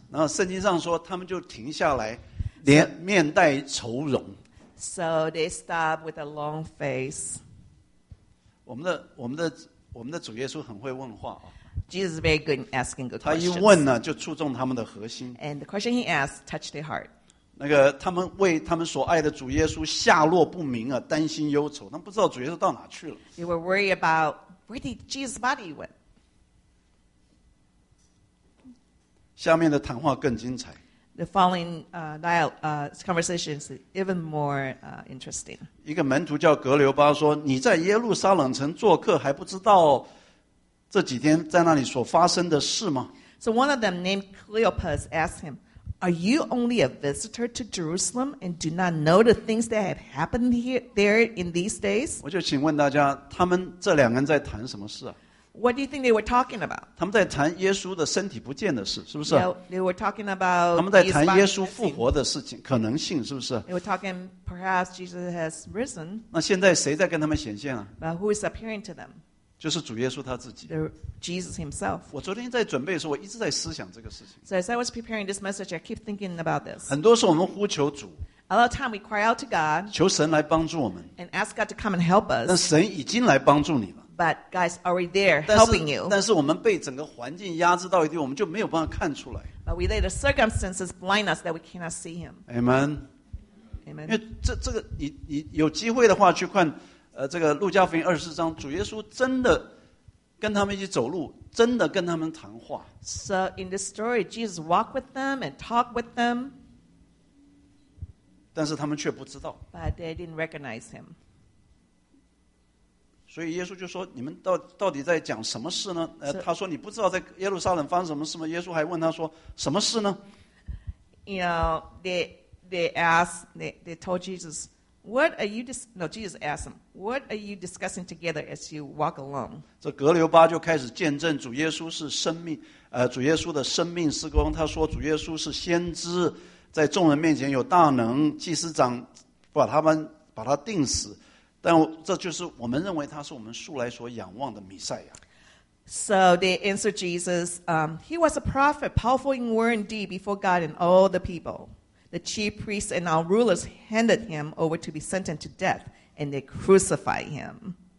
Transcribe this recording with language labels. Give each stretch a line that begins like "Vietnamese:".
Chinese: 然后圣经上说，他们就停下来，连面带愁容。
English: So they stopped with a long face.
Chinese: 我们的主耶稣很会问话啊。
English: Jesus is very good in asking good questions.
Chinese: 他一问呢，就触动他们的核心。
English: And the question he asked touched their heart.
Chinese: 那个他们为他们所爱的主耶稣下落不明啊，担心忧愁，他们不知道主耶稣到哪去了。
English: They were worried about where did Jesus' body went.
Chinese: 下面的谈话更精彩。
English: The following conversation is even more interesting.
Chinese: 一个门徒叫格留巴说：“你在耶路撒冷城做客，还不知道这几天在那里所发生的事吗
English: ？”So one of them named Cleopas asked him, "Are you only a visitor to Jerusalem and do not know the things that have happened there in these days?"
Chinese: 我就请问大家，他们这两个人在谈什么事啊？
English: What do you think they were talking about?
Chinese: 他们在谈耶稣的身体不见的事，是不是？
English: They were talking about.
Chinese: 他们在谈耶稣复活的事情，可能性是不是？
English: They were talking perhaps Jesus has risen.
Chinese: 那现在谁在跟他们显现啊？
English: But who is appearing to them?
Chinese: 就是主耶稣他自己。
English: Jesus himself.
Chinese: 我昨天在准备的时候，我一直在思想这个事情。
English: So as I was preparing this message, I keep thinking about this.
Chinese: 很多时候我们呼求主。
English: A lot of time we cry out to God.
Chinese: 求神来帮助我们。
English: And ask God to come and help us.
Chinese: 那神已经来帮助你了。
English: But guys already there helping you.
Chinese: 但是我们被整个环境压制到一定，我们就没有办法看出来。
English: But we let the circumstances blind us that we cannot see him. Amen. Amen.
Chinese: 因为这个你有机会的话去看，这个路加福音二十四章，主耶稣真的跟他们一起走路，真的跟他们谈话。
English: So in this story, Jesus walked with them and talked with them.
Chinese: 但是他们却不知道。
English: But they didn't recognize him.
Chinese: 所以耶稣就说：“你们到底在讲什么事呢？” so, 他说：“你不知道在耶路撒冷发生什么事吗？” 耶稣还问他说：“什么事呢
English: ？”You know, they told Jesus, "What are you?" No, Jesus asked them, "What are you discussing together as you walk along?"
Chinese: 这格留巴就开始见证主耶稣是生命，主耶稣的生命事工。他说：“主耶稣是先知，在众人面前有大能，祭司长把他钉死。” 但这就是我们认为他是我们素来所仰望的弥赛亚。
English: So they answered Jesus, he was a prophet, powerful in word and deed before God and all the people. The chief priests and our rulers handed him over to be sentenced to death, and they crucified him.